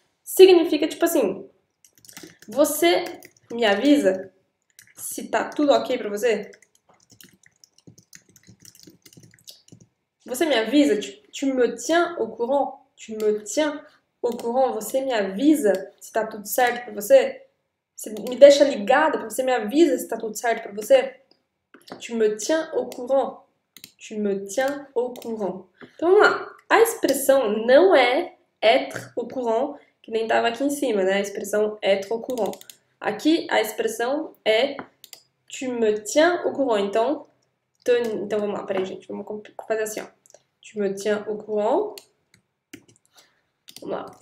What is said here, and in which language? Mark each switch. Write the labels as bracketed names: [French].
[Portuguese] Significa tipo assim, você me avisa se tá tudo ok pra você? Você me avisa, [French] tu me tiens au courant, tu me tiens au courant, [Portuguese] você me avisa se tá tudo certo pra você? Você me deixa ligada, você me avisa se tá tudo certo pra você? [French] Tu me tiens au courant, tu me tiens au courant. [Portuguese] Então vamos lá, a expressão não é être au courant. Que nem estava aqui em cima, né? A expressão être au courant. Aqui a expressão é tu me tiens au courant. Então vamos lá, peraí, gente. Vamos fazer assim, ó. [French] Tu me tiens au courant. [Portuguese] Vamos lá.